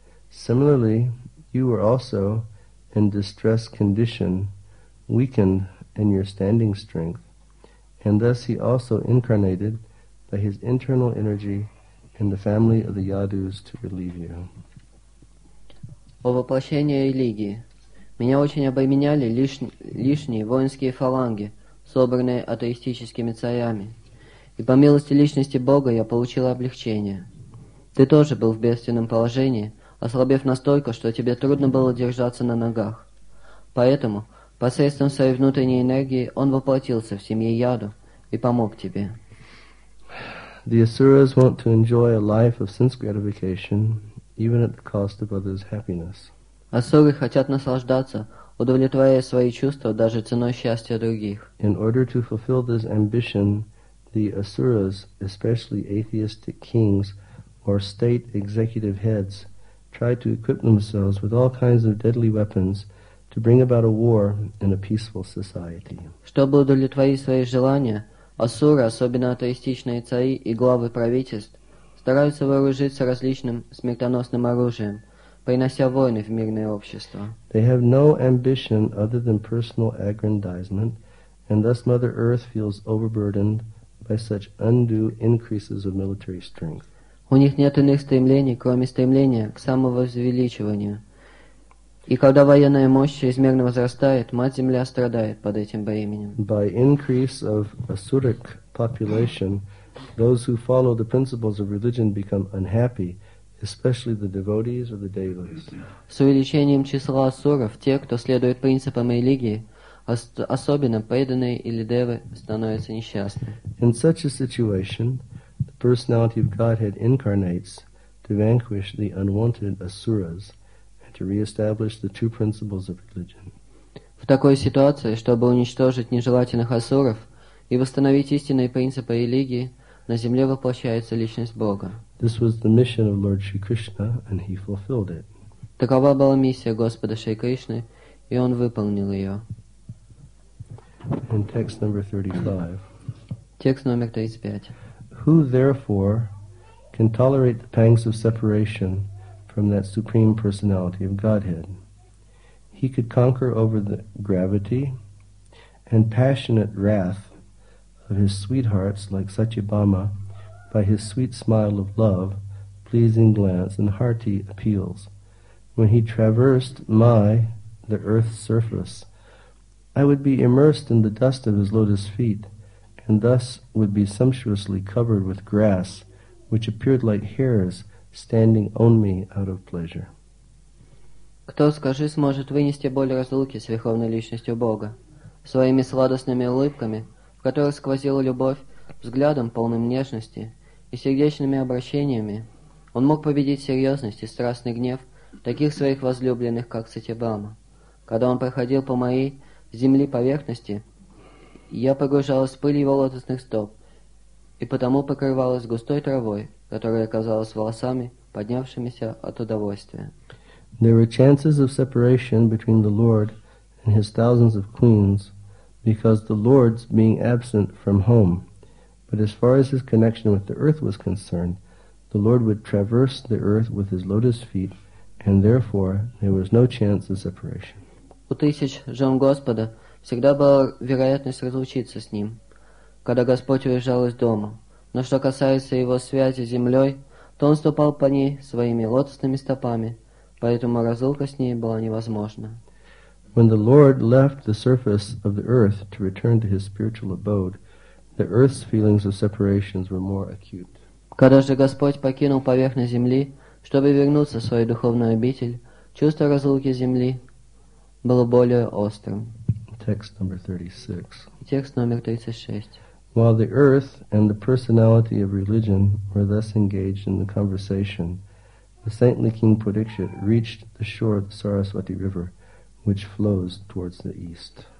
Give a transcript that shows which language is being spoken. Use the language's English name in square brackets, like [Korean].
[English] Similarly, you were also in distressed condition, weakened in your standing strength, and thus he also incarnated by his internal energy in the family of the Yadus to relieve you. [Russian] О воплощении религии. Меня очень обременяли лишние воинские фаланги, собранные атеистическими царями. И по милости личности Бога я получил облегчение. Ты тоже был в бедственном положении, ослабев настолько, что тебе трудно было держаться на ногах. Поэтому, посредством своей внутренней энергии, он воплотился в семье Яду и помог тебе. [English] The Asuras want to enjoy a life of sense gratification, even at the cost of others' happiness. [Russian] Асуры хотят наслаждаться, удовлетворяя свои чувства даже ценой счастья других. [English] In order to fulfill this ambition, the Asuras, especially atheistic kings or state executive heads, try to equip themselves with all kinds of deadly weapons to bring about a war in a peaceful society. [Russian] Чтобы удовлетворить свои желания, асуры, особенно атеистичные цари и главы правительств, стараются вооружиться различным смертоносным оружием, принося войны в мирное общество. [English] They have no ambition other than personal aggrandizement, and thus Mother Earth feels overburdened by such undue increases of military strength. [Russian] У них нет иных стремлений, кроме стремления к самовозвеличиванию. И когда военная мощь чрезмерно возрастает, Мать-Земля страдает под этим бременем. [English] By increase of Asuric population, those who follow the principles of religion become unhappy, especially the devotees or the devas. [Russian] С увеличением числа асуров, те, кто следует принципам религии, особенно преданные или девы, становятся несчастны. [English] In such a situation, the personality of Godhead incarnates to vanquish the unwanted asuras and to reestablish the two principles of religion. [Russian] В такой ситуации, чтобы уничтожить нежелательных асуров и восстановить истинные принципы религии, на земле воплощается личность Бога. [English] This was the mission of Lord Shri Krishna, and he fulfilled it. [Russian] Такова была миссия Господа Шри Кришны, и он выполнил ее. [English] And text number 35. [Russian] Текст номер 35. [English] Who therefore can tolerate the pangs of separation from that supreme personality of Godhead? He could conquer over the gravity and passionate wrath of his sweethearts like Satyabhama by his sweet smile of love, pleasing glance and hearty appeals. When he traversed the earth's surface, I would be immersed in the dust of his lotus feet, and thus would be sumptuously covered with grass, which appeared like hairs standing on me out of pleasure. [Russian] Кто, скажи, сможет вынести боль разлуки с верховной личностью Бога? Своими сладостными улыбками, в которых сквозила любовь, взглядом, полным нежности, и сердечными обращениями, он мог победить серьезность и страстный гнев таких своих возлюбленных, как Сатибама. Когда он проходил по моей земли поверхности, я погружалась в пыль его лотосных стоп и потому покрывалась густой травой, которая казалась волосами, поднявшимися от удовольствия. [English] There were chances of separation between the Lord and his thousands of queens because the Lord's being absent from home. But as far as his connection with the earth was concerned, the Lord would traverse the earth with his lotus feet, and therefore there was no chance of separation. [Russian] У тысяч жен Господа всегда была вероятность разлучиться с Ним, когда Господь уезжал из дома. Но что касается Его связи с землей, то Он ступал по ней своими лотосными стопами, поэтому разлука с ней была невозможна. [English] When the Lord left the surface of the earth to return to His spiritual abode, the earth's feelings of separations were more acute. [Russian] Когда же Господь покинул поверхность земли, чтобы вернуться в свою духовную обитель, чувство разлуки земли было более острым. [English] Text number 36. [Russian] Текст номер 36. [English] While the earth and the personality of religion were thus engaged in the conversation, the saintly king Pudikshit reached the shore of the Saraswati River, which flows towards the east.